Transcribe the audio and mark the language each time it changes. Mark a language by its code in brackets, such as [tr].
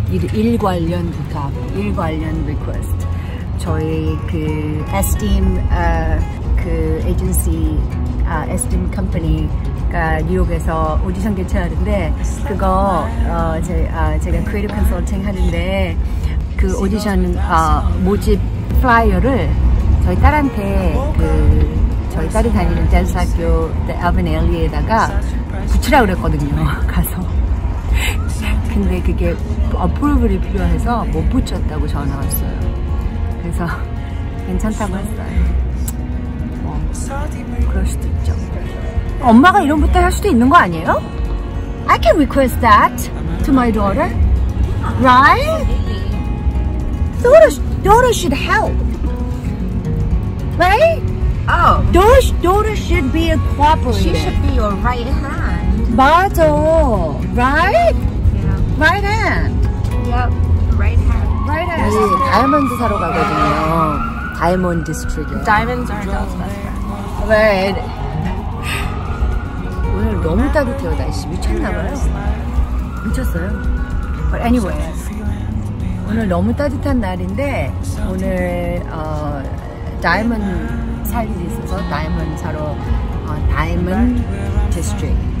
[ko] 일 관련 부탁, 일 관련 리퀘스트. 저희 그 에스팀 그 에이전시, 아, 에스팀 컴퍼니가 뉴욕에서 오디션 개최하는데 그거 제가 크리에이티브 컨설팅 하는데 그 오디션 모집 플라이어를 저희 딸한테 그 저희 딸이 다니는 댄스 학교 아브네일리에다가 붙이라고 그랬거든요. 가서 근데 그게 어프로벌이 필요해서 못 붙였다고 전화 왔어요. 그래서 괜찮다고 했어요. 뭐 그럴 수도 있죠. 엄마가 이런 부탁 할 수도 있는 거 아니에요? [en] I can request that to my daughter. Right? Daughter should help. Right? Oh. Daughter should be a cooperator. She should be your right hand. 맞아. Right? Yeah. Right hand. Yep. Right hand. Right hand. [ko] 우리 다이아몬드 사러 가거든요. 다이아몬드 디스트릭에. [en] Diamonds are girls' best friend. Right. [ko] 오늘 너무 따뜻해요, 날씨. 미쳤나봐요. 미쳤어요. [en] But anyway. [ko] 오늘 너무 따뜻한 날인데, 오늘, 다이아몬드 살 일이 있어서 다이아몬드 사러 다이아몬드 디스트릭.